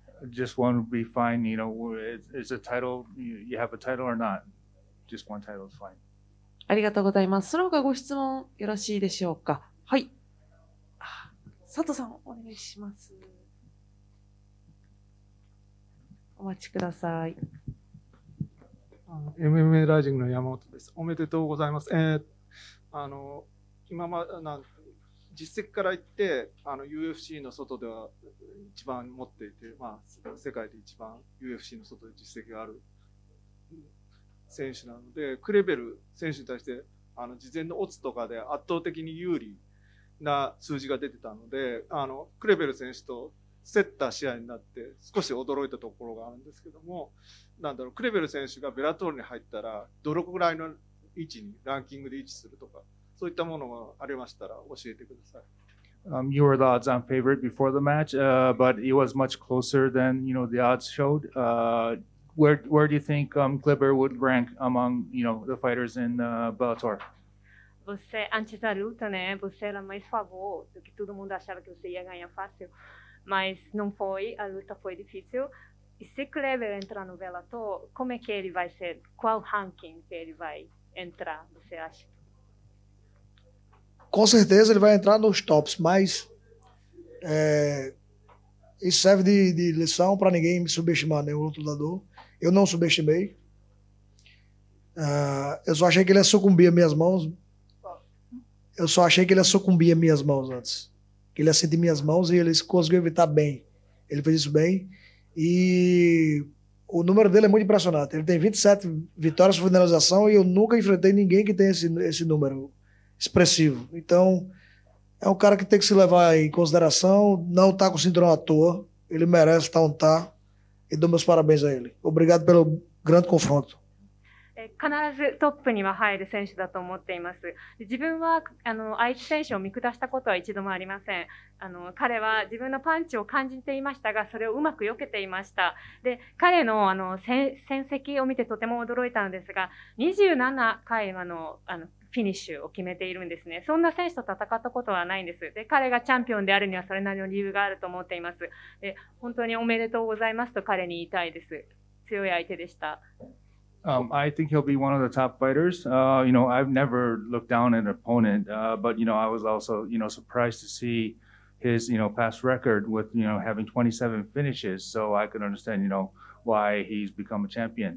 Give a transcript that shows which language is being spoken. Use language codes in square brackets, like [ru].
[en] Just one would be fine, you know, is a title, you have a title or not, just one title is fine. [ja] ありがとうございます。その他ご質問よろしいでしょうか。はい。佐藤さん、お願いします。お待ちください。 MMA ライジングの山本です。おめでとうございます。今まで、実績から言って、UFC の外では一番持っていて、まあ、世界で一番 UFC の外で実績がある選手なので、クレベル選手に対して、事前のオッズとかで圧倒的に有利な数字が出てたので、クレベル選手と競った試合になって、少し驚いたところがあるんですけども、なんだろう、クレベル選手がベラトールに入ったら、どのくらいの位置に、ランキングで位置するとか、そういったものがありましたら教えてください。 [en] You were the odds-on favorite before the match, but it was much closer than, you know, the odds showed. Where do you think Glover would rank among, you know, the fighters in Bellator? [pt] Você, antes da luta, né, você era mais favor do que todo mundo achava que você ia ganhar fácil, mas não foi, a luta foi difícil. E se Glover entrar no Bellator, como é que ele vai ser? Qual ranking que ele vai entrar, você acha? Com certeza ele vai entrar nos tops, mas isso serve de lição para ninguém me subestimar, nenhum outro lutador. Eu não subestimei. Eu só achei que ele ia sucumbir às minhas mãos. Eu só achei que ele ia sucumbir às minhas mãos antes. Que ele ia sentir minhas mãos e ele conseguiu evitar bem. Ele fez isso bem. E o número dele é muito impressionante. Ele tem 27 vitórias por finalização e eu nunca enfrentei ninguém que tenha esse número expressivo. Então, é um cara que tem que se levar em consideração, não tá com cinturão à toa, ele merece estar onde tá, e dou meus parabéns a ele. Obrigado pelo grande confronto. [ja] É, 必ずトップには入る選手だと思っています。自分は相手選手を見下したことは一度もありません。彼は自分のパンチを感じていましたが、それをうまく避けていました。で、彼の戦績を見てとても驚いたのですが、27回はフィニッシュを決めているんですね。そんな選手と戦ったことはないんです。で、彼がチャンピオンであるにはそれなりの理由があると思っています。で、本当におめでとうございますと彼に言いたいです。強い相手でした。 [en] I think he'll be one of the top fighters. You know, I've never looked down at an opponent, but you know, I was also, you know, surprised to see his, you know, past record with, you know, having 27 finishes. So I could understand, you know, why he's become a champion.